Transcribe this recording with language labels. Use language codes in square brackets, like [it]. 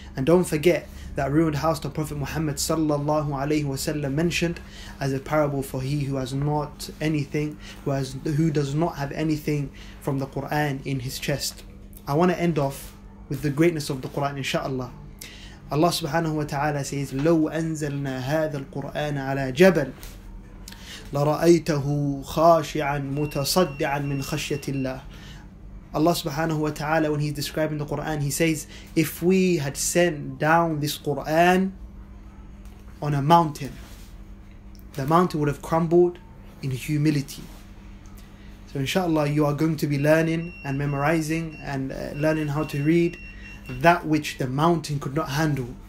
[en] And don't forget that ruined house the Prophet Muhammad sallallahu alaihi wasallam mentioned as a parable for he who has not anything, who does not have anything from the Quran in his chest. I want to end off with the greatness of the Quran, inshallah. Allah subhanahu wa ta'ala says, [ar] لو أنزلنا هذا القرآن على جبل لرأيته خاشعا متصدعا من خشية الله. [en] Allah subhanahu wa ta'ala, when He's describing the Quran, He says, if we had sent down this Quran on a mountain, the mountain would have crumbled in humility. So inshallah, you are going to be learning and memorizing and learning how to read that which the mountain could not handle.